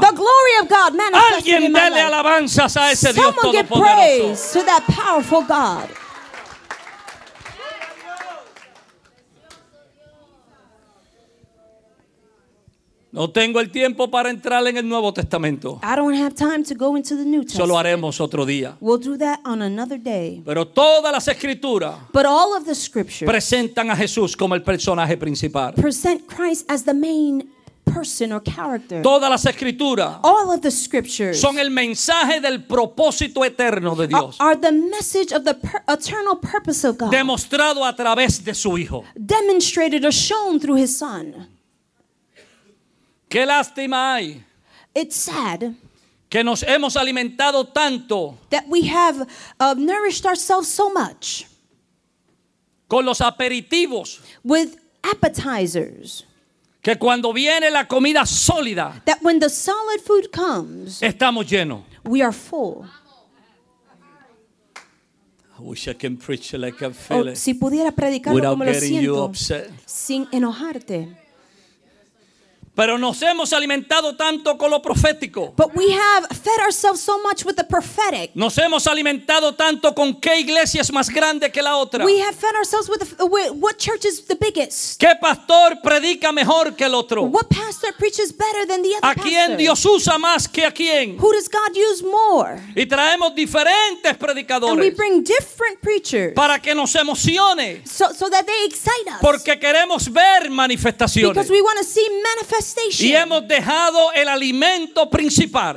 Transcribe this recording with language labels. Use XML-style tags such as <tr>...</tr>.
<en>The glory of God manifested.</en> <es>Alguien dele alabanzas a ese Dios todopoderoso.</es> <en>Someone give praise to that powerful God.</en> <es>No tengo el tiempo para entrar en el Nuevo Testamento.</es> <en>I don't have time to go into the New Testament.</en> <es>Solo haremos otro día.</es> <en>We'll do that on another day.</en> <es>Pero todas las escrituras.</es> <en>But all of the scriptures.</en> <es>Presentan a Jesús como el personaje principal.</es> <en>Present Christ as the main person or character.</en> <es>Todas las escrituras.</es> <en>All of the scriptures.</en> <es>Son el mensaje del propósito eterno de Dios.</es> <en>Are the message of the eternal purpose of God.</en> <es>Demostrado a través de su hijo.</es> <en>Demonstrated or shown through his son.</en> <es>Qué lástima hay.</es> <en>It's sad</en> <es>que nos hemos alimentado tanto.</es> <en>That we have nourished ourselves so much.</en> <es>Con los aperitivos.</es> <en>With appetizers.</en> <es>Que cuando viene la comida sólida.</es> <en>That when the solid food comes.</en> <es>Estamos llenos.</es> <en>We are full. I wish I can preach like I feel it.</en> <es>Si pudiera predicarlo</es> <en>without</en> <es>como lo siento.</es> <en>You upset.</en> <es>Sin enojarte. Pero nos hemos alimentado tanto con lo profético.</es> <en>But we have fed ourselves so much with the prophetic.</en> <es>Nos hemos alimentado tanto con qué iglesia es más grande que la otra.</es> <en>We have fed ourselves with what church is the biggest.</en> <es>¿Qué pastor predica mejor que el otro?</es> <en>What pastor preaches better than the other pastor?</en> <es>¿A quién Dios usa más que a quién?</es> <en>Who does God use more?</en> <es>Y traemos diferentes predicadores.</es> <en>And we bring different preachers.</en> <es>Para que nos emocione.</es> <en>So that they excite us.</en> <es>Porque queremos ver manifestaciones.</es> <en>Because we want to see manifestations.</en> <es>Y hemos dejado el alimento principal.</es>